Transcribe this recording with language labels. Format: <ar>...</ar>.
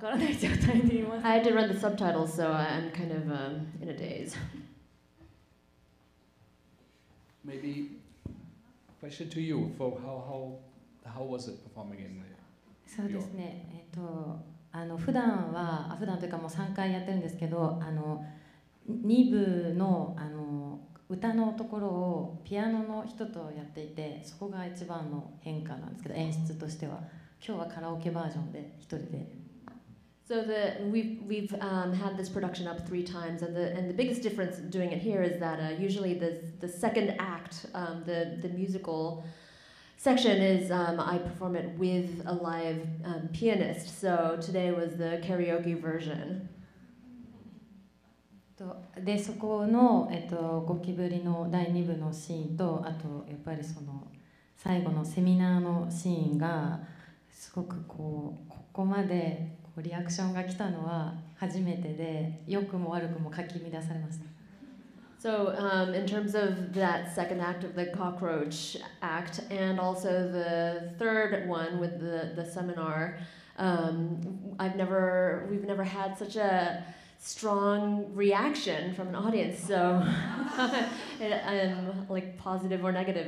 <en>I had to run the subtitles, so I'm kind of in a daze. Maybe question to you for how was it performing in there?</en> <ja>そうですね。普段は普段というかもう3回やってるんですけど、2部の歌のところをピアノの人とやっていて、そこが一番の変化なんですけど、演出としては。今日はカラオケバージョンで一人で。</ja> <en>So we've had this production up three times, and the biggest difference doing it here is that usually the second act, the musical section is I perform it with a live pianist. So today was the karaoke version.</en> <ja>でそこのゴキブリの第二部のシーンとあとやっぱりその最後のセミナーのシーンが。すごくこうここまでこうリアクションが来たのは初めてで良くも悪くもかき乱されました。</ja> <en>So, in terms of that second act of the cockroach act and also the third one with the seminar, we've never had such a strong reaction from an audience. So, I'm like positive or negative.</en>